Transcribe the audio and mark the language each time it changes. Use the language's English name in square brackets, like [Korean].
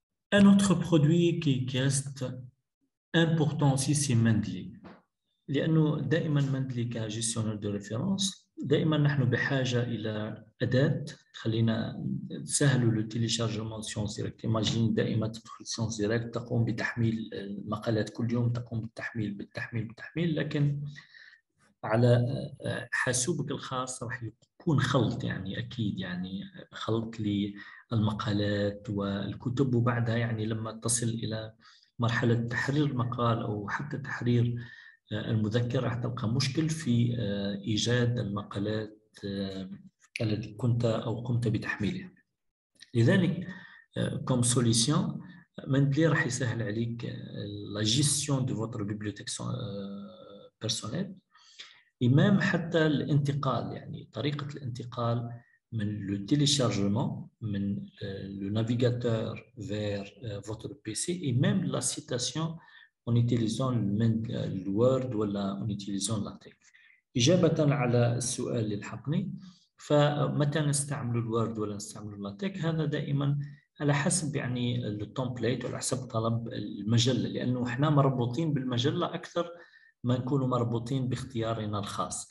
[French] Un autre produit qui reste important aussi, c'est Mendeley. Mendeley est un gestionnaire de référence. [Arabic] دائما نحن بحاجة إلى أداة تخلينا سهل لو تيليشارجمون سيونس ديريكت. ايماجين دائما تدخل سيونس ديريكت، تقوم بتحميل مقالات كل يوم، تقوم بالتحميل، لكن على حاسوبك الخاص راح يكون خلط، يعني أكيد يعني خلط للمقالات والكتب، وبعدها يعني لما تصل إلى مرحلة تحرير المقال أو حتى تحرير المذكر راح تلقى مشكل في إيجاد المقالات التي كنت أو قمت بتحميلها. لذلك كوم سوليسيون مندلي راح يسهل عليك [French] la gestion de votre bibliothèque personnelle et même [Arabic] حتى الانتقال، يعني طريقة الانتقال [French] le téléchargement, le navigateur vers votre PC et même la citation en utilisant le Word ou en utilisant la texte. [Arabic] إجابة على السؤال اللي لحقني، فمتى نستعمل الوورد ولا نستعمل اللاتيك؟ هذا دائما على حسب يعني التومبليت وعلى حسب طلب المجلة، لأنه احنا مربوطين بالمجلة أكثر ما نكون مربوطين باختيارنا الخاص.